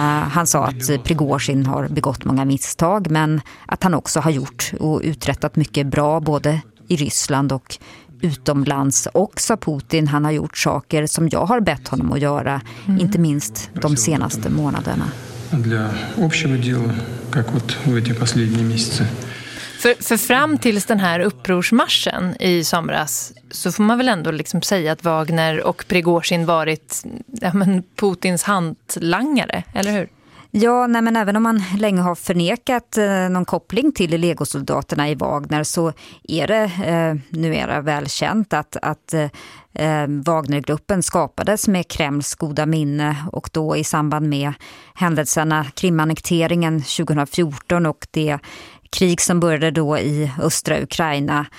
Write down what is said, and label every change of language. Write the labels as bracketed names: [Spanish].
[Swedish] Han sa att Prigozhin har begått många misstag, men att han också har gjort och uträttat mycket bra både i Ryssland och utomlands också. Putin, han har gjort saker som jag har bett honom att göra, inte minst de senaste månaderna. [Russian] Для общего дела, как вот в эти последние месяцы. [Swedish] För fram tills den här upprorsmarschen i somras så får man väl ändå liksom säga att Wagner och Prigozhin varit Putins hantlangare, eller hur? Ja, nej, men även om man länge har förnekat någon koppling till legosoldaterna i Wagner så är det numera välkänt att Wagnergruppen skapades med Kremls goda minne och då i samband med händelserna Krimannekteringen 2014 och det krig som började då i östra Ukraina.